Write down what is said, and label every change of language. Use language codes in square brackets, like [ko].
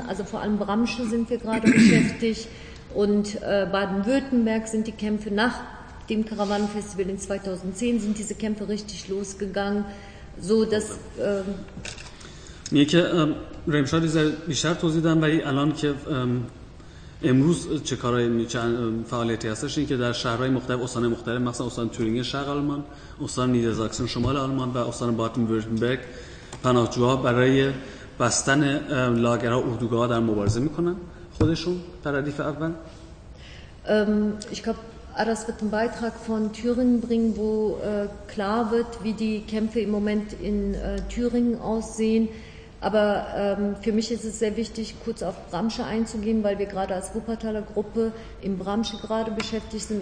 [de] also vor allem Bramsche sind wir gerade beschäftigt. Und Baden-Württemberg sind die Kämpfe nach dem Karawanenfestival in 2010, sind diese Kämpfe richtig losgegangen. So, [fa] میگه که رمشاد بیشتر توضیح دادم، ولی الان که امروز چه کارهای فعالیتی هستش، این که در شهرهای مختلف، استان مختلف، مثلا استان تورینگن شرق آلمان، استان نیدرزاکسن شمال آلمان و استان بادن ویرتمبرگ، پناهجوها برای بستن لاگرها اردوگاه در مبارزه میکنن خودشون در ردیف اول. [de] ich glaube Aras wird einen Beitrag von Thüringen bringen, wo klar wird, wie die Kämpfe im Moment in Thüringen aussehen. Aber für mich ist es sehr wichtig, kurz auf Bramsche einzugehen, weil wir gerade als Wuppertaler Gruppe im Bramsche gerade beschäftigt sind.